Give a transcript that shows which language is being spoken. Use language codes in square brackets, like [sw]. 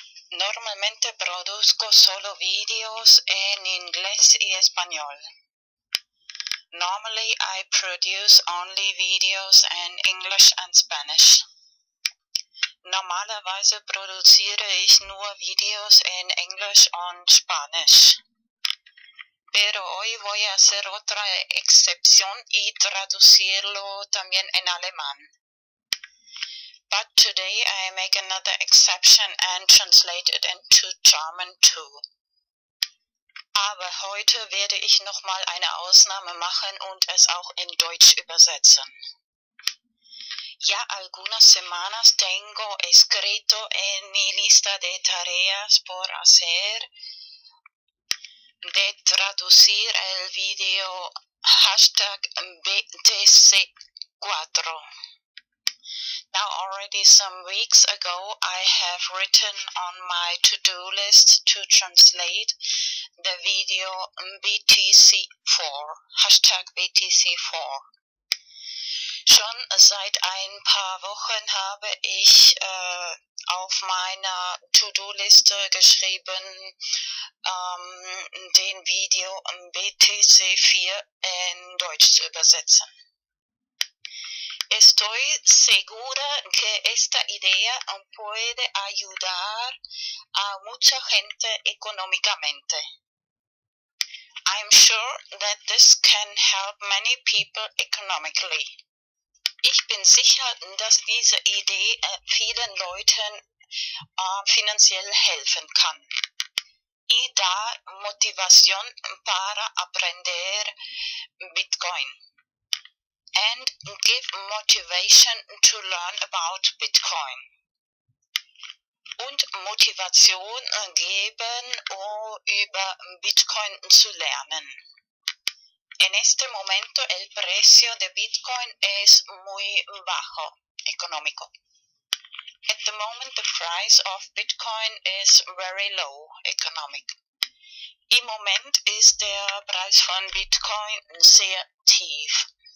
[es] Normalmente produzco solo videos en inglés y español. [en] Normally I produce only videos in English and Spanish. [de] Normalerweise produziere ich nur Videos in English und Spanisch. [es] Pero hoy voy a hacer otra excepción y traducirlo también en alemán. [en] But today I make another exception and translate it into German too. [de] Aber heute werde ich nochmal eine Ausnahme machen und es auch in Deutsch übersetzen. [es] Ya algunas semanas tengo escrito en mi lista de tareas por hacer de traducir el video hashtag BTC4. [en] Now already some weeks ago I have written on my to-do list to translate the video BTC4, hashtag BTC4. [de] Schon seit ein paar Wochen habe ich auf meiner To-Do-Liste geschrieben, den Video BTC4 in Deutsch zu übersetzen. [es] Estoy segura que esta idea puede ayudar a mucha gente económicamente. [en] I'm sure that this can help many people economically. [de] Ich bin sicher, dass diese Idee vielen Leuten finanziell helfen kann. [es] Y dar motivación para aprender Bitcoin. [en] And give motivation to learn about Bitcoin. [de] Und Motivation geben, über Bitcoin zu lernen. [es] En este momento el precio de Bitcoin es muy bajo, económico. [en] At the moment the price of Bitcoin is very low, economic. [de] Im Moment ist der Preis von Bitcoin sehr tief.